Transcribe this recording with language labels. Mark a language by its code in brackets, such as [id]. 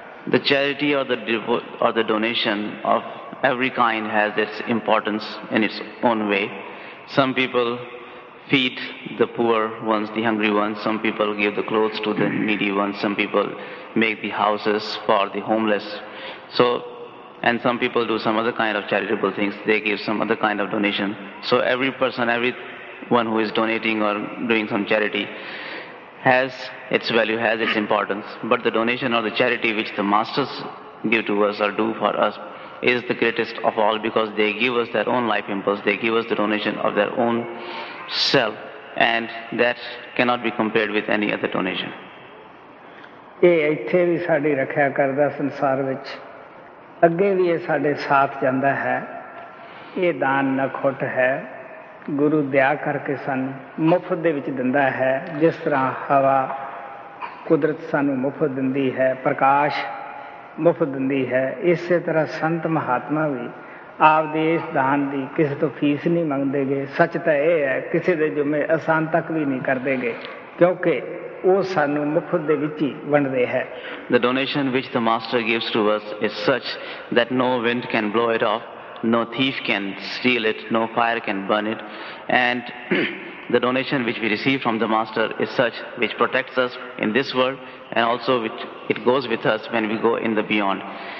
[en] The charity or or the donation of every kind has its importance in its own way. Some people feed the poor ones, the hungry ones, some people give the clothes to the needy ones, some people make the houses for the homeless, so and some people do some other kind of charitable things, they give some other kind of donation. So every person, every one who is donating or doing some charity has its value, has its importance, but the donation or the charity which the masters give to us or do for us is the greatest of all, because they give us their own life impulse, they give us the donation of their own self, and that cannot be compared with any other donation. [pa] ਇਹ ਇੱਥੇ ਵੀ ਸਾਡੀ ਰੱਖਿਆ ਕਰਦਾ ਸੰਸਾਰ ਵਿੱਚ, ਅੱਗੇ ਵੀ ਇਹ ਸਾਡੇ ਸਾਥ ਜਾਂਦਾ ਹੈ। ਇਹ ਦਾਨ ਨਖੁੱਟ ਹੈ, ਗੁਰੂ ਦਇਆ ਕਰਕੇ ਸਾਨੂੰ ਮੁਫਤ ਦੇ ਵਿੱਚ ਦਿੰਦਾ ਹੈ। ਜਿਸ ਤਰ੍ਹਾਂ ਹਵਾ ਕੁਦਰਤ ਸਾਨੂੰ ਮੁਫਤ ਦਿੰਦੀ ਹੈ, ਪ੍ਰਕਾਸ਼ ਮੁਫਤ ਦਿੰਦੀ ਹੈ, ਇਸੇ ਤਰ੍ਹਾਂ ਸੰਤ ਮਹਾਤਮਾ ਵੀ ਆਪ ਦੇ ਇਸ ਦਾਨ ਦੀ ਕਿਸੇ ਤੋਂ ਫੀਸ ਨਹੀਂ ਮੰਗਦੇ ਗੇ। ਸੱਚ ਤਾਂ ਇਹ ਹੈ ਕਿਸੇ ਦੇ ਜੁੰਮੇ ਆਸਾਨ ਤੱਕ ਵੀ ਨਹੀਂ ਕਰਦੇ ਗੇ ਕਿਉਂਕਿ ਉਹ ਸਾਨੂੰ ਮੁਫਤ ਦੇ ਵਿੱਚ ਹੀ ਵੰਡਦੇ ਹੈ। [en] The donation which the master gives to us is such that no wind can blow it off, no thief can steal it, no fire can burn it, and the donation which we receive from the master is such which protects us in this world and also which it goes with us when we go in the beyond.